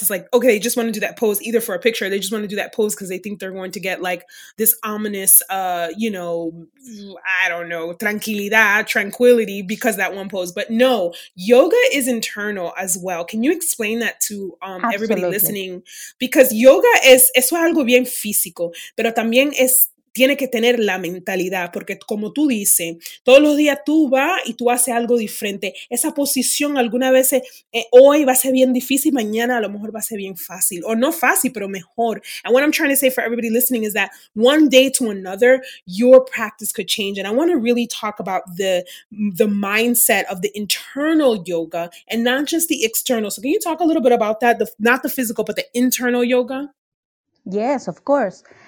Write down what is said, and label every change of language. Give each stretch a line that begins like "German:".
English: It's like, okay, they just want to do that pose either for a picture, or they just want to do that pose because they think they're going to get, like, this ominous, you know, I don't know, tranquility because that one pose. But no, yoga is internal as well. Can you explain that to everybody listening?
Spanish: Because yoga es algo bien físico, pero también es, tiene que tener la mentalidad, porque como tú dices, todos los días tú vas y tú haces algo diferente. Esa posición algunas veces, hoy va a ser bien difícil, mañana a lo mejor va a ser bien fácil, o no fácil, pero mejor.
English: And what I'm trying to say for everybody listening is that one day to another, your practice could change. And I want to really talk about the mindset of the internal yoga and not just the external. So can you talk a little bit about that? Not the physical, but the internal yoga? Yes, of course.